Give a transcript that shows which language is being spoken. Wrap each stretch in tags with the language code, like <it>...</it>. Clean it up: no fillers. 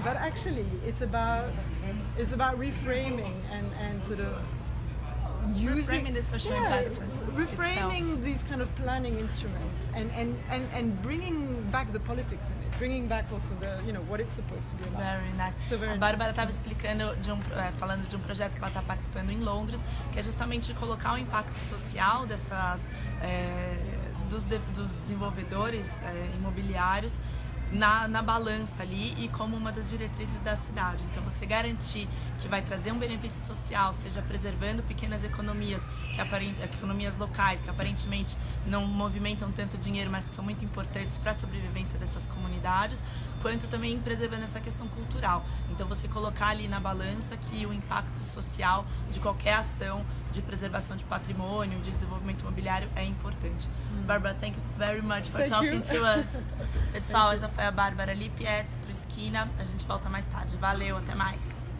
<en>But actually it's about reframing and sort of using the social impact. Reframing itself. These kind of planning instruments and bringing back the politics in it, bringing back also the, you know, what it's supposed to be about. Very nice. So very</en> <pt>a Bárbara estava explicando, falando de um projeto que ela está participando em Londres, que é justamente colocar o impacto social dessas dos desenvolvedores imobiliários na balança ali e como uma das diretrizes da cidade. Então você garantir que vai trazer um benefício social, seja preservando pequenas economias, economias locais que aparentemente não movimentam tanto dinheiro, mas que são muito importantes para a sobrevivência dessas comunidades, quanto também preservando essa questão cultural. Então você colocar ali na balança que o impacto social de qualquer ação de preservação de patrimônio, de desenvolvimento imobiliário é importante.</pt> <en>Barbara, thank you very much for talking to us.</en> <pt>Pessoal, essa foi a Bárbara Lipietz pro Esquina. A gente volta mais tarde. Valeu, até mais.</pt>